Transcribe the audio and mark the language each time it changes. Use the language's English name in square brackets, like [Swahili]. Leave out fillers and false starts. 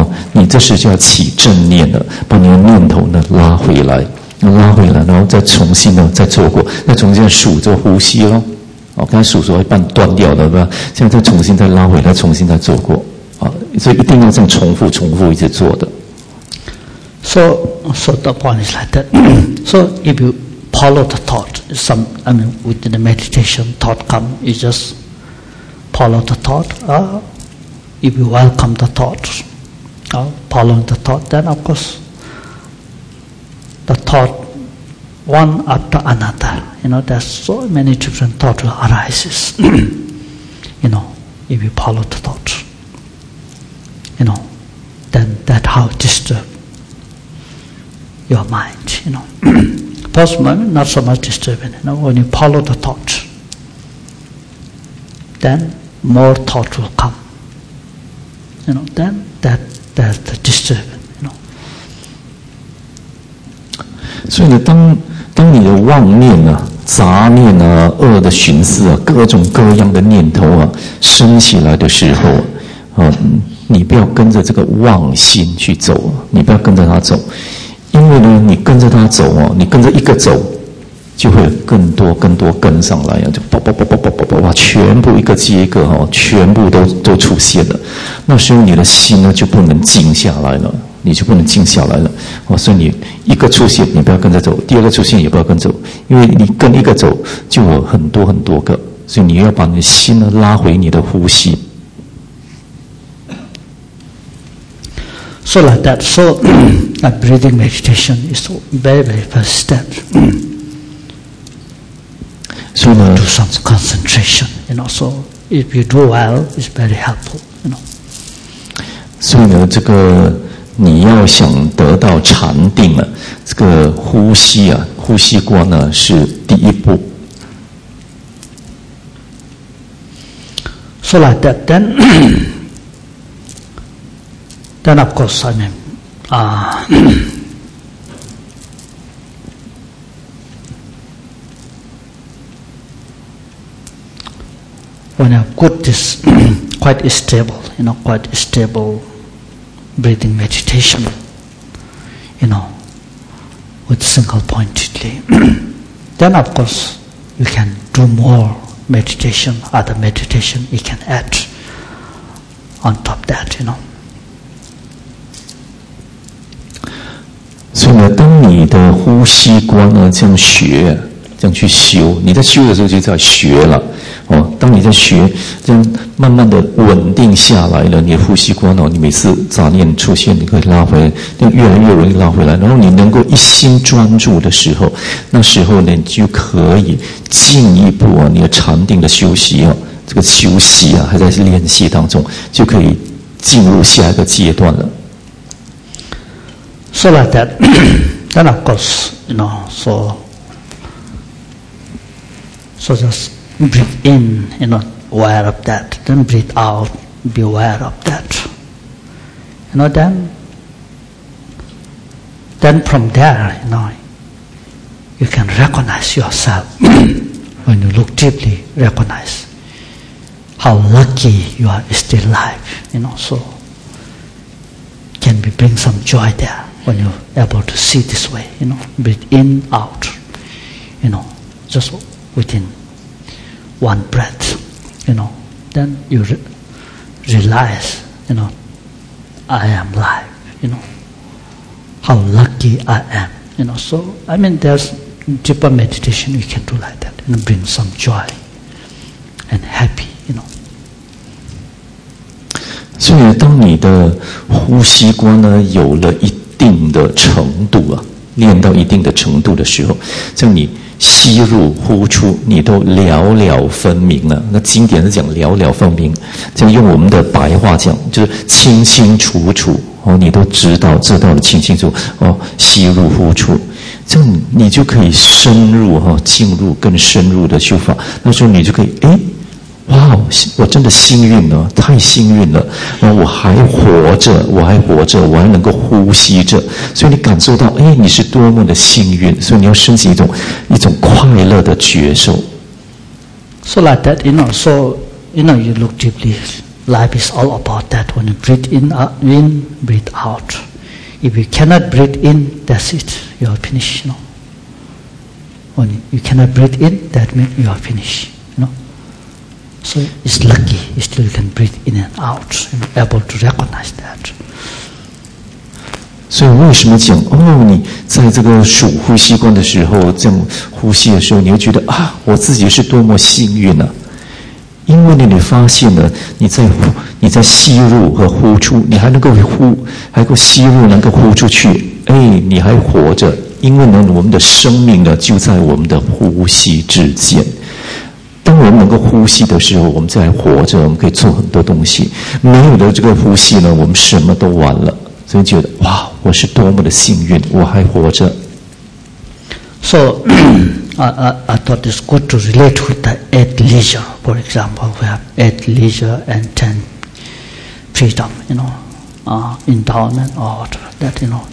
[Chinese] 你这时就要起正念了，把你的念头呢拉回来，拉回来，然后再重新呢再做过，再重新数着呼吸喽。刚才数着一半断掉了，对吧？现在再重新再拉回来，重新再做过。所以一定要这样重复、重复一直做的。 [English] So the point is like that. So if you follow the thought, within the meditation, thought come, you just follow the thought. If you welcome the thought, following the thought, then of course, the thought, one after another, you know, there's so many different thoughts will arises, you know, if you follow the thought, you know, then that how disturbyour mind, you know. First moment, not so much disturbing, you know, when you follow the thought, then more thought will come. You know, then that's the disturbing, you know. [Chinese] 所以呢，当你的妄念啊、杂念啊、恶的寻思啊、各种各样的念头啊升起来的时候，你不要跟着这个妄心去走，你不要跟着它走。因为呢，你跟着他走啊，你跟着一个走，就会更多更多跟上来啊，就啪啪啪啪啪啪啪啪，全部一个接一个哈，全部都出现了。那时候你的心呢就不能静下来了，你就不能静下来了。所以你一个出现，你不要跟着走；第二个出现，也不要跟着走，因为你跟一个走，就有很多很多个，所以你要把你的心呢拉回你的呼吸。 [English] So like that. So, that breathing meditation is a very, very first step. So, do some concentration. You know, so if you do well, it's very helpful. You know. [Chinese] 所以呢，这个你要想得到禅定啊，这个呼吸啊，呼吸观呢是第一步。 [English] So like that. Then. Then of course, I mean, when I have good this quite stable, you know, quite stable breathing meditation, you know, with single pointedly. Then of course you can do more meditation, other meditation you can add on top of that, you know. [Chinese] 所以呢，当你的呼吸观呢这样学，这样去修，你在修的时候就叫学了哦。当你在学，这样慢慢的稳定下来了，你的呼吸观哦，你每次杂念出现，你可以拉回来，就越来越容易拉回来。然后你能够一心专注的时候，那时候呢，你就可以进一步啊，你的禅定的修习啊，这个修习啊，还在练习当中，就可以进入下一个阶段了。 [English] So like that, then of course, you know, so just breathe in, you know, aware of that, then breathe out, be aware of that. You know, then from there, you know, you can recognize yourself, when you look deeply, recognize how lucky you are still alive, you know, so can we bring some joy there. When you're able to see this way, you know, breathe in, out, you know, just within one breath, you know, then you realize, you know, I am alive, you know, how lucky I am, you know. So, I mean, there's deeper meditation you can do like that, you know, bring some joy and happy, you know. [Chinese] 所以当你的呼吸观呢有了一定的程度啊，练到一定的程度的时候，像你吸入呼出你都了了分明了，那经典是讲了了分明，就用我们的白话讲就是清清楚楚、哦、你都知道的清清楚、哦、吸入呼出，这样你就可以深入、哦、进入更深入的修法，那时候你就可以诶哇、wow, 我真的幸运了，太幸运了，然后我还活着，我还能够呼吸着，所以你感受到哎，你是多么的幸运，所以你要升起一种快乐的觉受。 [English] So like that, you know, so you know, you look deeply, life is all about that. When you breathe in, breathe out. If you cannot breathe in, that's it, you are finished, you know. When you cannot breathe in, that means you are finished. So it's lucky, you still can breathe in and out, and able to recognize that. [Chinese] 所以为什么讲哦？你在这个数呼吸观的时候，这样呼吸的时候，你会觉得啊，我自己是多么幸运啊！因为你发现了你在吸入和呼出，你还能够吸入，能够呼出去，哎，你还活着。因为呢，我们的生命呢，就在我们的呼吸之间。当我们能够呼吸的时候，我们在活着，我们可以做很多东西。没有了这个呼吸呢，我们什么都完了。所以觉得哇，我是多么的幸运，我还活着。 [English] So, I thought it's good to relate with the eight leisure. For example, we have eight leisure and ten freedom, you know, endowment or that, you know.